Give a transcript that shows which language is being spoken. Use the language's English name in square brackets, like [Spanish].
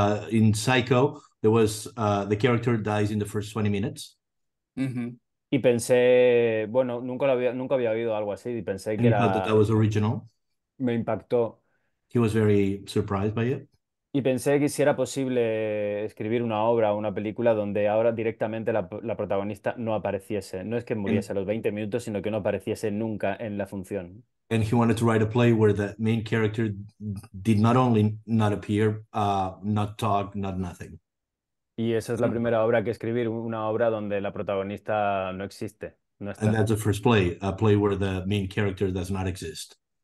[English] In Psycho, there was the character dies in the first 20 minutes. Mm-hmm. [Spanish] Y pensé, bueno, nunca había oído algo así y pensé que era... [English] That was original. [Spanish] Me impactó. [English] He was very surprised by it. [Spanish] Y pensé que si era posible escribir una obra o una película donde ahora directamente la protagonista no apareciese. No es que muriese a los 20 minutos, sino que no apareciese nunca en la función. [English] And he wanted to write a play where the main character did not only not appear, not talk, not nothing. [Spanish] Y esa es la primera obra que escribir, una obra donde la protagonista no existe. No está. [English] And that's the first play, a play where the main character does not exist.